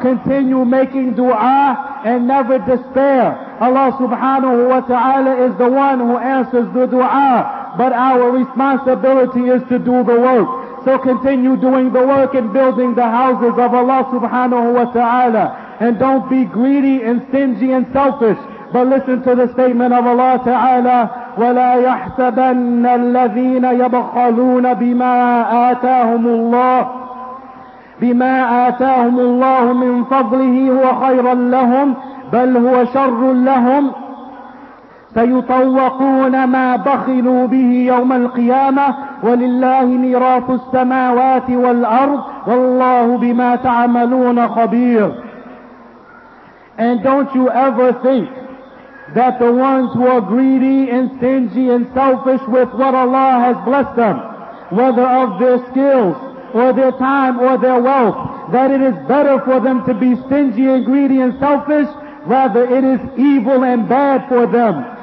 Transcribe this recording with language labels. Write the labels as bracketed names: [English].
[English] Continue making dua and never despair. Allah subhanahu wa ta'ala is the one who answers the dua, but our responsibility is to do the work. So continue doing the work in building the houses of Allah subhanahu wa ta'ala. And don't be greedy and stingy and selfish. But listen to the statement of Allah ta'ala, [Arabic] وَلَا يَحْسَبَنَّ الَّذِينَ يَبْخَلُونَ بِمَا آتَاهُمُ اللَّهُ بِمَا آتَاهُمُ اللَّهُ مِنْ فَضْلِهِ هُوَ خَيْرًا لَهُمْ بَلْ هُوَ شَرٌّ لَهُمْ سَيُطَوَّقُونَ مَا بَخِلُوا بِهِ يَوْمَ الْقِيَامَةِ وَلِلَّهِ مِيرَاثُ السَّمَاوَاتِ وَالْأَرْضِ وَاللَّهُ بِمَا تَعْمَلُونَ خَبِيرٌ. [English] And don't you ever think that the ones who are greedy and stingy and selfish with what Allah has blessed them, whether of their skills or their time or their wealth, that it is better for them to be stingy and greedy and selfish, rather it is evil and bad for them.